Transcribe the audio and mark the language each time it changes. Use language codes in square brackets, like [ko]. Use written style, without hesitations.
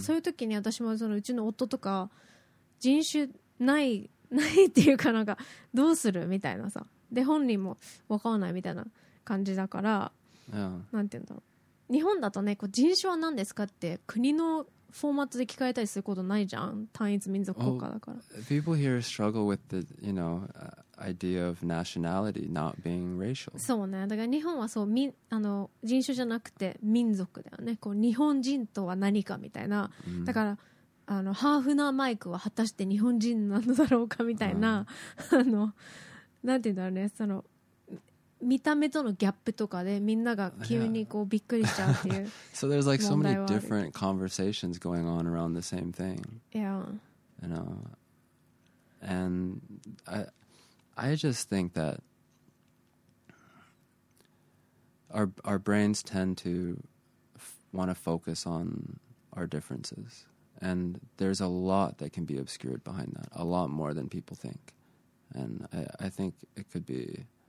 [ja] そういう時に私もそのうちの夫とか、人種ないっていうか、なんかどうするみたいなさ、で本人も分かんないみたいな感じだから、なんて言うんだろう、日本だとね、こう人種は何ですかって国のフォーマットで聞かれたりすることないじゃん。単一民族国家だから。 [en] Well, people here struggle with the, you know, idea of nationality not being racial. [ja] そうね。だから日本はそう、あの、人種じゃなくて民族だよね。こう日本人とは何かみたいな。 Mm. だから、あの、ハーフなマイクは果たして日本人なのだろうかみたいな。あの、なんて言うんだろうね。その、見た目とのギャップとかでみんなが急にこうびっくりしちゃうっていう。 [en] So there's like so many different conversations going on around the same thing. Yeah. You know, and I just think that our brains tend to want to focus on our differences, and there's a lot that can be obscured behind that, a lot more than people think, and I think it could be.